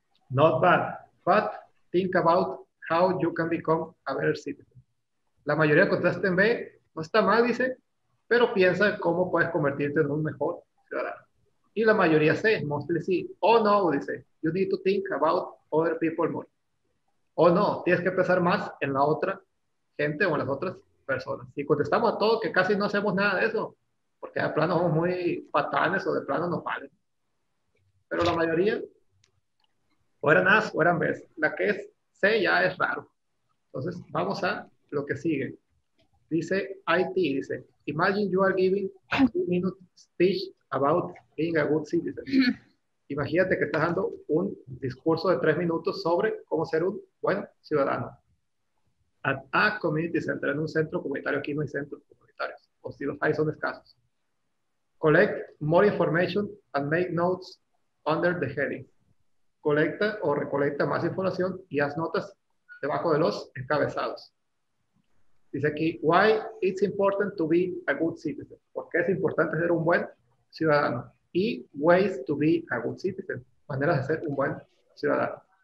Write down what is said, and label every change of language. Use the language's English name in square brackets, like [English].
[English] Not bad, but think about how you can become a better citizen. [Spanish] La mayoría contesta en B. No está mal, dice, pero piensa cómo puedes convertirte en un mejor ciudadano. Y la mayoría C. [English] Mostly C. [Spanish] Oh no, dice. [English] You need to think about other people more. [Spanish] Oh no, tienes que pensar más en la otra gente o en las otras personas. Y contestamos a todos que casi no hacemos nada de eso, porque de plano somos muy patanes o de plano no valen. Pero la mayoría, o eran A o eran B. La que es C ya es raro. Entonces, vamos a lo que sigue. [English] Dice IT, dice, imagine you are giving a 2-minute speech about being a good citizen. [Spanish] Imagínate que estás dando un discurso de 3 minutos sobre cómo ser un buen ciudadano. [English] At a community center, [Spanish] en un centro comunitario. Aquí no hay centros comunitarios, o si los hay son escasos. [English] Collect more information and make notes under the heading. [Spanish] Colecta o recolecta más información y haz notas debajo de los encabezados. [English] Dice aquí, why it's important to be a good citizen. [Spanish] ¿Por qué es importante ser un buen ciudadano? Y [English] ways to be a good citizen, [Spanish] maneras de ser un buen ciudadano.